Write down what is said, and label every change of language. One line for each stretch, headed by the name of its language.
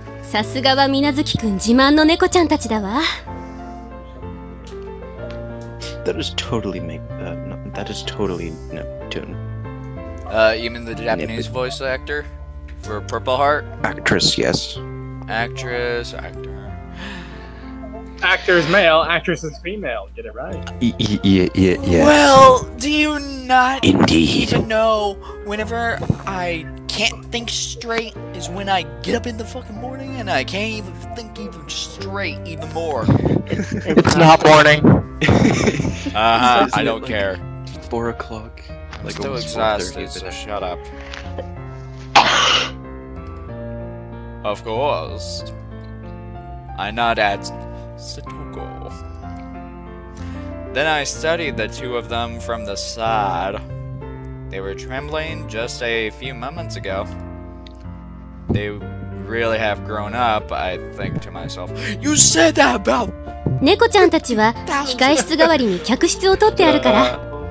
Japanese: さすがは水月くん自慢の猫ちゃんたちだわ。
English: That is totally make no, that is totally Neptune. You mean the Japanese voice actor for Purple Heart? Actress, yes. Actress, actor. Actor is male, actress is female. Get it right. Yeah. Well, do you not indeed even know whenever I. Can't think straight is when I get up in the fucking morning and I can't even think even straight even more. It's not morning. I don't care. 4 o'clock. I'm like still exhausted, so shut up. Of course. I nod at Setoko. Then I studied the two of them from the side. They were trembling just a few moments ago. They really have grown up, I think to myself. You said that about...
Japanese: 猫ちゃんたちは控室代わりに客室を取ってあるから。